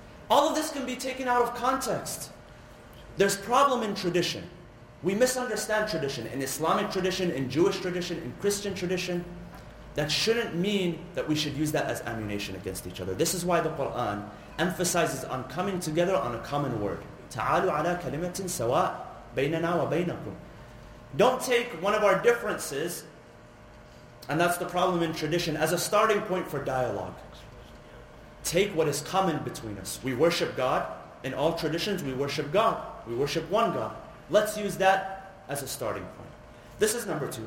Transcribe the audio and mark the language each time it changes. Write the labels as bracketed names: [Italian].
[English] All of this can be taken out of context. There's problem in tradition. We misunderstand tradition, in Islamic tradition, in Jewish tradition, in Christian tradition. That shouldn't mean that we should use that as ammunition against each other. This is why the Quran emphasizes on coming together on a common word. [Arabic] تعالوا على كلمة سواء بيننا وبينكم. [English] Don't take one of our differences, and that's the problem in tradition, as a starting point for dialogue. Take what is common between us. We worship God. In all traditions, we worship God. We worship one God. Let's use that as a starting point. This is number two.